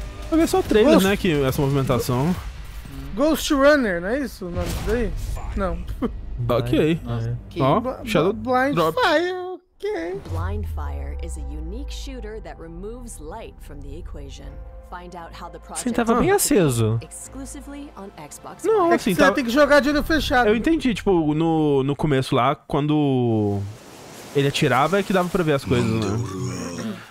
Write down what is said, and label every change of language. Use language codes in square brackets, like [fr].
[pt] Vai ver só o trailer, Ghost... né, que essa movimentação... Ghost Runner, não é isso o nome daí? Não. Ok. Ó, Shadow [en] Blind Drop. Fire. Blind Fire is a unique shooter that removes light from the equation. Find out how the project [pt] tava bem aceso. [en] Exclusively on Xbox. [pt] Não, assim, você tem que jogar de olho fechado. Eu entendi, tipo, no começo lá, quando ele atirava é que dava pra ver as coisas, né?